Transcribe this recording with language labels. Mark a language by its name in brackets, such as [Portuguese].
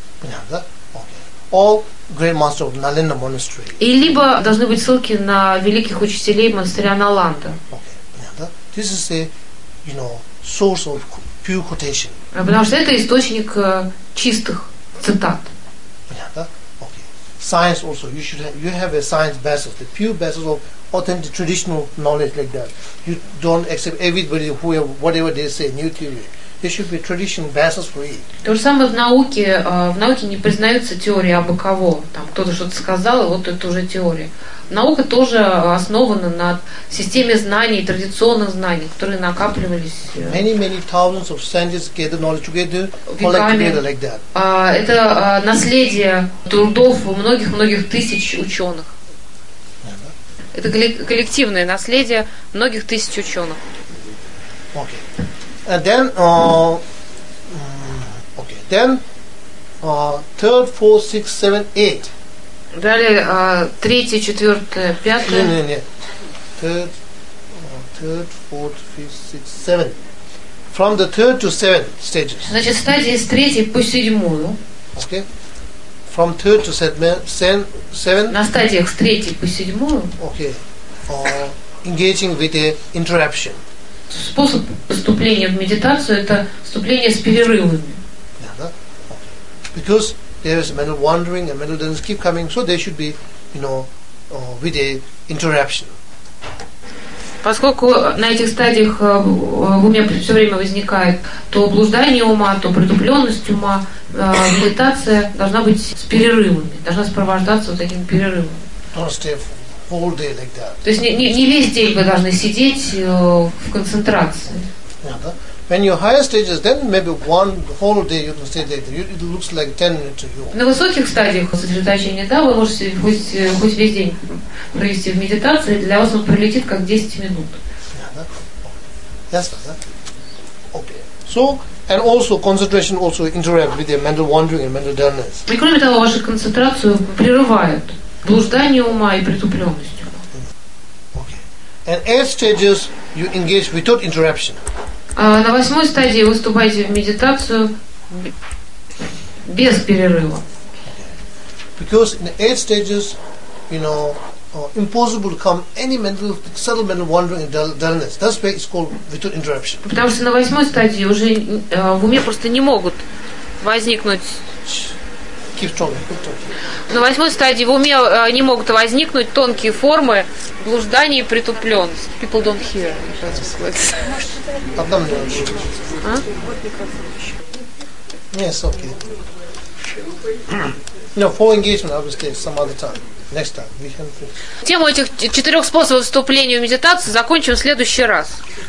[Russian] Понятно, да? Окей. [English] All great master of Nalanda Monastery. [Russian] И либо должны быть ссылки на великих учителей монастыря Наланда. Окей, понятно, да? [English] This is a, you know, source of pure quotation. [Russian] Потому что это источник чистых цитат. Понятно, да? [English] Science also, you have a science basis, the pure basis of authentic traditional knowledge like that. You don't accept everybody who whatever they say, new theory. There should be traditional basis for it. [Russian] То же самое в науке не признаются теории абы кого. Там кто-то что-то сказал, и вот это уже теория. Наука тоже основана на системе знаний, традиционных знаний, которые накапливались. [English] Many thousands of scientists gather knowledge together, collect together like that. [Russian] Это наследие трудов многих-многих тысяч ученых. Это коллективное наследие многих тысяч ученых. [English] Okay. And then okay. Then third, fourth, sixth, seventh, eighth. [Russian] Далее третье, четвертое, пятое. Не. [English] Third, fourth, fifth, sixth, seventh. From the third to seventh stages. [Russian] Значит, стадии с третьей по седьмую. [English] Okay. From third to seventh. [Russian] На стадиях с третьей по седьмую. [English] Okay. Engaging with the interruption. [Russian] Способ вступления в медитацию – это вступление с перерывами. [English] Yeah, [Russian] да? [English] Okay. Because there is mental wandering and mental doesn't keep coming, so there should be, you know, with a interruption. [Russian] Поскольку на этих стадиях в уме все время возникает то блуждание ума, то притупленность ума, медитация должна быть с перерывами, должна сопровождаться вот таким перерывом. [English] Don't stay all day like that. [Russian] То есть не весь день вы должны сидеть в концентрации. [English] Yeah, [Russian] да? [English] When you're higher stages, then maybe one whole day you can stay there. It looks like 10 minutes to you. [Russian] На высоких стадиях сосредоточения, да, вы можете хоть весь день провести в медитации, для вас он пролетит как 10 минут. [English] Yes, [Russian] да. [English] Okay. So and also concentration also interrupts with your mental wandering and mental dullness. [Russian] И кроме того, вашу концентрацию прерывает блуждание ума и притупленность ума. [English] Okay. And eighth stages you engage without interruption. [Russian] На восьмой стадии вы вступаете в медитацию без перерыва. [English] Because in the eight stages, you know, impossible to come any mental settlement, wandering and dullness. That's why it's called without interruption. [Russian] Потому что на восьмой стадии уже в уме просто не могут возникнуть. [English] Keep talking, keep talking. [Russian] На восьмой стадии в уме не могут возникнуть тонкие формы блуждания и притупленности. [English] People don't hear. [Russian] Одна мне лучше. [English] Yes, okay. No, for engagement, obviously, some other time. Next time. We can... [Russian] Тему этих четырех способов вступления в медитацию закончим в следующий раз.